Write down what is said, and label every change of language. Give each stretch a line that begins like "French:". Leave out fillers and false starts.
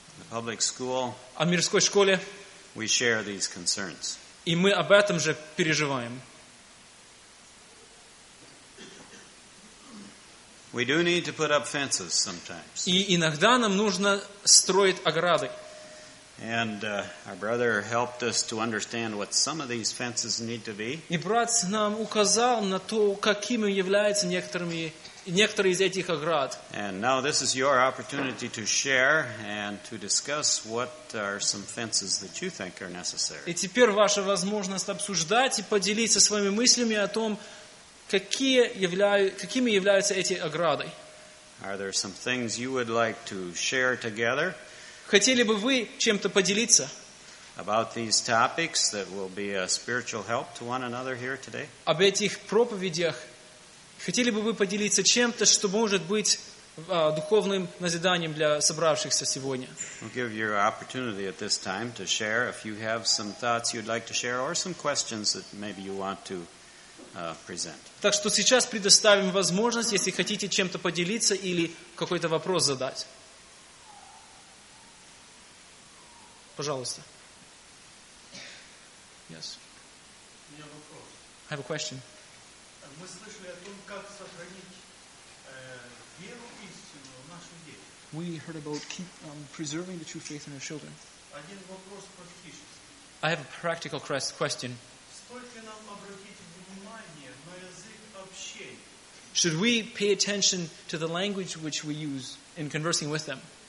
English: the public school,
Russian: о мирской школе.
English: We share these concerns.
Russian: И мы об этом же переживаем.
English: We do need to put up fences sometimes.
Russian: И иногда нам нужно строить ограды.
English: And our brother helped us to understand what some of these fences need to be.
Russian: И брат нам указал на то, какими являются некоторые из этих оград.
English: And now this is your opportunity to share and to discuss what are some fences that you think are necessary.
Russian: И теперь ваша возможность обсуждать и поделиться своими мыслями о том, какими являются эти ограды.
English: Are there some things you would like to share together?
Russian: Хотели бы вы чем-то поделиться?
English: About these topics that will be a spiritual help to one another here today?
Russian: Об этих проповедях хотели бы вы поделиться чем-то, что может быть духовным назиданием для собравшихся сегодня?
English: We'll give you an opportunity at this time to share if you have some thoughts you'd like to share or some questions that maybe you want to present.
Russian: Так что сейчас предоставим возможность, если хотите чем-то поделиться или какой-то вопрос задать. Пожалуйста.
English: Yes.
Russian: У меня вопрос.
English: I have a question.
Russian: Мы слышали о том, как сохранить веру и истину в наших детях.
English: We heard about preserving the true faith in our children.
Russian: Один вопрос практический.
English: I have a practical question.
Russian: Стоит ли нам обратить внимание на язык общения?
English: Should we pay attention to the language which we use in conversing with them?